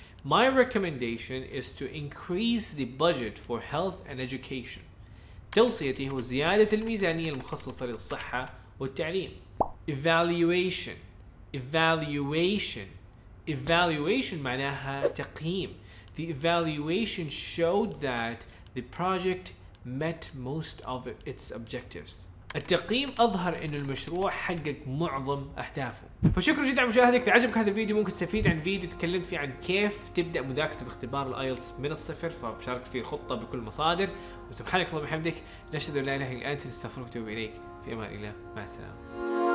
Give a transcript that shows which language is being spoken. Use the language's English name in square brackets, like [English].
[English] My recommendation is to increase the budget for health and education. [Arabic] توصيتي هو زيادة الميزانية المخصصة للصحة والتعليم. [English] Evaluation [Arabic] معناها تقييم. [English] The evaluation showed that the project met most of its objectives. [Arabic] التقييم أظهر إنه المشروع حقق معظم أهدافه. فشكرا جدا على مشاهدتك. إذا عجبك هذا الفيديو ممكن تستفيد عن فيديو تكلمت فيه عن كيف تبدأ مذاكرة باختبار الآيلتس من الصفر، فشاركت فيه الخطة بكل المصادر. وسبحانك اللهم وبحمدك، نشهد أن لا إله إلا أنت، نستغفرك ونتوب إليك. في أمان الله، مع السلامة.